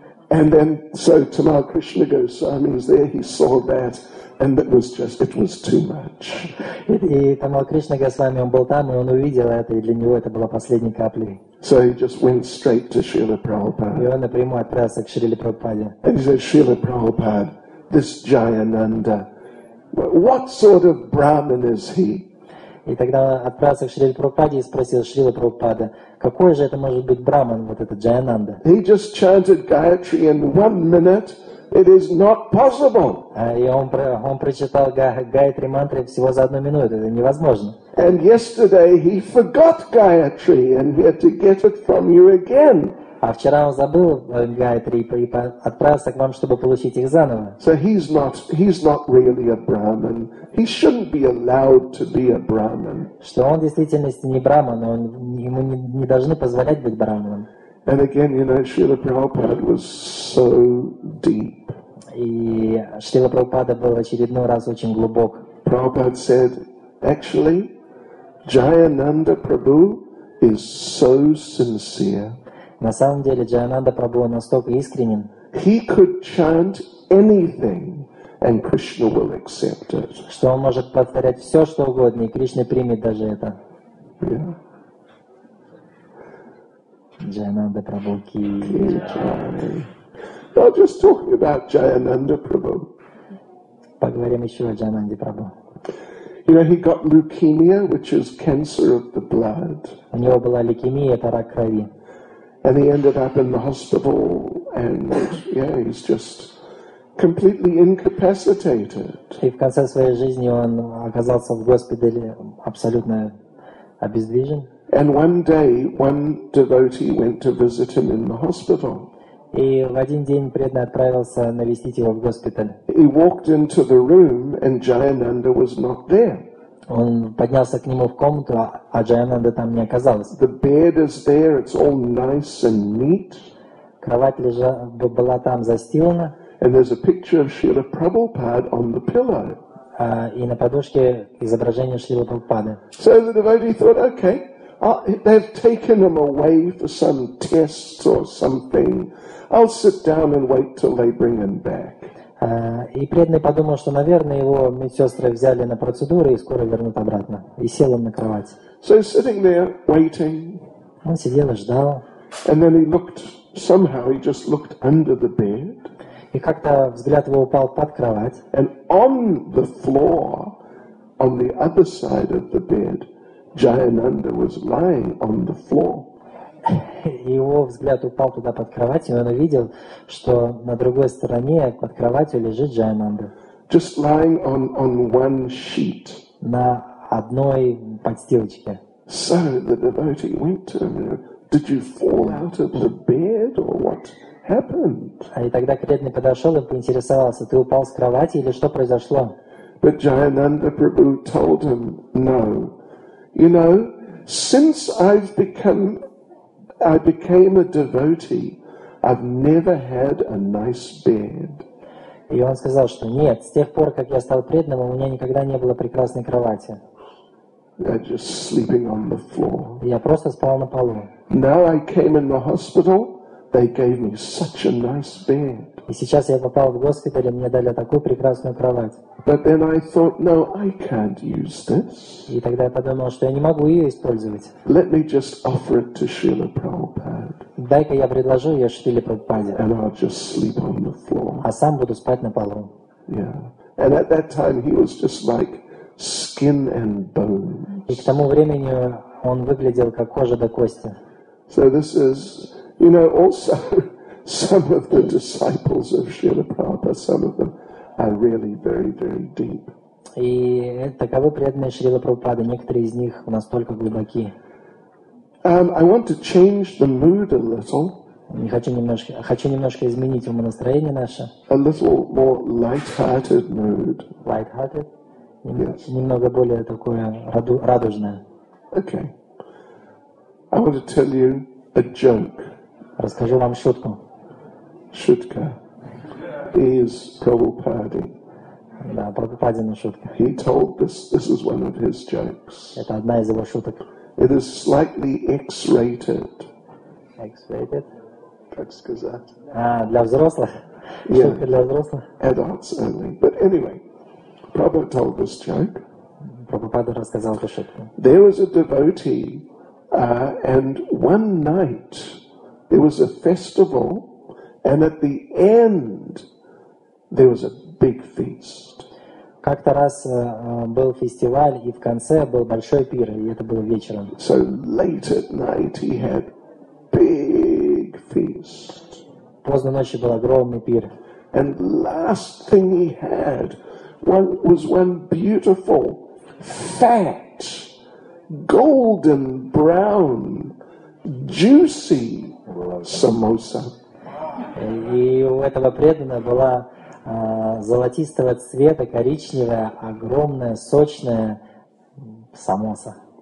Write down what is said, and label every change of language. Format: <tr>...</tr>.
<en>And then, so Tamal Krishna Goswami is there, he saw that, and it was too much.</en> <ru>И Тамал Кришна Госвами, он был там, и он увидел это, и для него это было последней каплей.</ru> <en>So he just went straight to Srila Prabhupada.</en> <ru>И он напрямую отправился к Шриле Прабхупаде.</ru> <en>And he said, Srila Prabhupada, this Jayananda, what sort of Brahmin is he?</en> <ru>И тогда он отправился к Шриле Прабхупаде и спросил Шрилу Прабхупаду, какой же это может быть Брахман, вот этот Джайананда?</ru> <en>He just chanted Gayatri in 1 minute. It is not possible.</en> <ru>И он прочитал Гаятри мантры всего за 1 минуту. Это невозможно.</ru> <en>And yesterday he forgot Gayatri and he had to get it from you again.</en> <ru>А вчера он забыл Гаятри и отправился к вам, чтобы получить их заново.</ru> <en>So he's not really a Brahman. He shouldn't be allowed to be a Brahman.</en> <ru>Что он в действительности не Брахман, ему не должны позволять быть Брахманом.</ru> <en>And again, you know, Srila Prabhupada was so deep.</en> <ru>И Шрила Прабхупада был очередной раз очень глубок.</ru> <en>Prabhupada said, actually, Jayananda Prabhu is so sincere.</en> <ru>На самом деле Джайананда Прабху настолько искренен.</ru> <en>He could chant anything, and Krishna will accept it.</en> <ru>Что он может повторять все, что угодно, и Кришна примет даже это.</ru> <en>Yeah.</en> <ru>Джайананда Прабху ки.</ru> <en>No, just talking about Jayananda Prabhu.</en> <ru>Поговорим еще о Джайананде Прабху.</ru> <en>You know, he got leukemia, which is cancer of the blood.</en> <ru>У него была лейкемия, это рак крови.</ru> <en>And he ended up in the hospital, and yeah, he's just completely incapacitated.</en> <ru>И в конце своей жизни он оказался в госпитале абсолютно обездвижен.</ru> <en>And one day, one devotee went to visit him in the hospital.</en> <ru>И в один день преданный отправился навестить его в госпитале.</ru> <en>He walked into the room, and Jayananda was not there.</en> <ru>Он поднялся к нему в комнату, а Джаянанда там не оказалось.</ru> <en>The bed is there, it's all nice and neat.</en> <ru>Кровать была там застелена.</ru> <en>And there's a picture of Srila Prabhupada on the pillow.</en> <ru>И на подушке изображение Шрилы Прабхупады.</ru> <en>So the devotee thought, okay, they've taken him away for some tests or something. I'll sit down and wait till they bring him back.</en> <ru>И преданный подумал, что, наверное, его медсестры взяли на процедуру и скоро вернут обратно. И сел он на кровать.</ru> <en>So sitting there waiting.</en> <ru>Он сидел и ждал.</ru> <en>And then he looked, somehow he just looked under the bed.</en> <ru>И как-то взгляд его упал под кровать.</ru> <en>And on the floor, on the other side of the bed, Jayananda was lying on the floor.</en> <ru>Его взгляд упал туда под кровать, и он увидел, что на другой стороне под кроватью лежит Джаянанда.</ru> <en>Just lying on one sheet.</en> <ru>На одной подстилочке.</ru> <en>So the devotee went to him. Did you fall out of the bed or what happened?</en> <ru>И тогда преданный подошел и поинтересовался: ты упал с кровати или что произошло?</ru> <en>But Jayananda Prabhu told him, no. You know, since I became a devotee, I've never had a nice bed.</en> <ru>И он сказал, что нет, с тех пор, как я стал преданным, у меня никогда не было прекрасной кровати.</ru> <en>I'm just sleeping on the floor.</en> <ru>Я просто спал на полу.</ru> <en>Now I came in the hospital, they gave me such a nice bed.</en> <ru>И сейчас я попал в госпиталь, и мне дали такую прекрасную кровать.</ru> <en>But then I thought, no, I can't use this.</en> <ru>И тогда я подумал, что я не могу ее использовать.</ru> <en>Let me just offer it to Srila Prabhupada.</en> <ru>Дай-ка я предложу ее Шриле Прабхупаде.</ru> <en>And I'll just sleep on the floor.</en> <ru>А сам буду спать на полу.</ru> <en>Yeah. And at that time he was just like skin and bones.</en> <ru>И к тому времени он выглядел как кожа до кости.</ru> <en>So this is, you know, also some of the disciples of Srila Prabhupada, some of them are really very, very deep.</en> <ru>И таковы преданные Шрилы Прабхупады, некоторые из них настолько глубоки.</ru> <en>I want to change the mood a little.</en> <ru>Хочу немножко изменить умонастроение наше.</ru> <en>A little more light-hearted mood. Light-hearted? Yes.</en> <ru>Немного более такое радужное.</ru> <en>Okay. I want to tell you a joke.</en> <ru>Расскажу вам шутку. Шутка.</ru> <en>Is Prabhupada.</en> <ru>Да, Прабхупадина шутка.</ru> <en>He told this is one of his jokes.</en> <ru>Это одна из его шуток.</ru> <en>It is slightly X-rated. X-rated?</en> <ru>Как сказать? Для взрослых?</ru> <en>Yeah.</en> <ru>Шутка для взрослых?</ru> <en>Adults only. But anyway, Prabhupada told this joke.</en> <ru>Прабхупада рассказал эту шутку.</ru> <en>There was a devotee, and one night, there was a festival, and at the end, there was a big feast.</en> <ru>Как-то раз был фестиваль, и в конце был большой пир, и это было вечером.</ru> <en>So late at night he had big feast.</en> <ru>Поздно ночью был огромный пир.</ru> <en>And last thing he had was one beautiful, fat, golden, brown, juicy samosa.</en> <ru>И у этого преданного была золотистого цвета, коричневая, огромная, сочная самоса.</ru>